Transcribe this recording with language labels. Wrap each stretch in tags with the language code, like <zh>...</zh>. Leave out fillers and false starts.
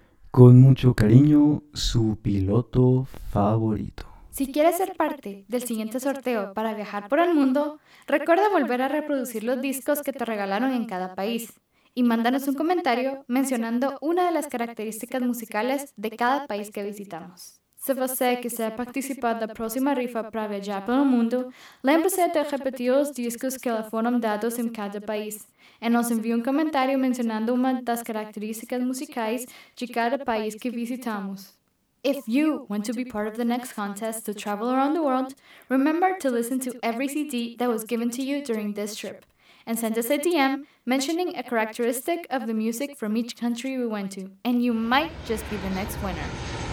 <es>Con mucho cariño, su piloto favorito. Si quieres ser parte del siguiente sorteo para viajar por el mundo, recuerda volver a reproducir los discos que te regalaron en cada país. Y mándanos un comentario mencionando una de las características musicales de cada país que visitamos.</es> <pt>Si você quiser participar da próxima rifa para viajar pelo mundo, lembre-se de repetir os discos que lhe foram dados em cada país. E nos envie um comentário mencionando uma das características musicais de cada país que visitamos.</pt> <en>If you want to be part of the next contest to travel around the world, remember to listen to every CD that was given to you during this trip. And send us a DM mentioning a characteristic of the music from each country we went to, and you might just be the next winner.</en>